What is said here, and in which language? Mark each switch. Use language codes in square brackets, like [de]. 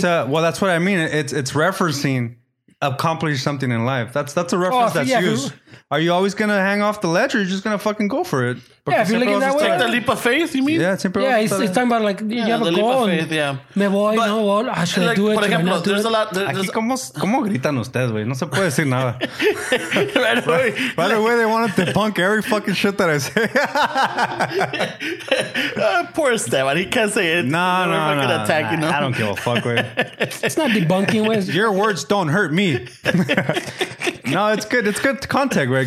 [en] Well, that's what I mean. It's referencing accomplish something in life. That's a reference that's used. Are you always going to hang off the ledge or are you just going to fucking go for it? Yeah, if you're looking that way. Take the leap of faith, you mean? Yeah, he's talking about like, you have a goal. The leap of faith, yeah. [es] Me voy, [en] but, no, well, I should like, do it. [es] Por ejemplo, [en] there's a lot. [es] Aquí, ¿cómo gritan ustedes, güey? No se puede decir nada. [en] By the way, they wanted to debunk every fucking shit that I say. poor Esteban, he can't say it. No, attack, you know? I don't give a fuck, güey. It's not debunking, güey. Your words don't hurt me. No, it's good. It's good contact, right?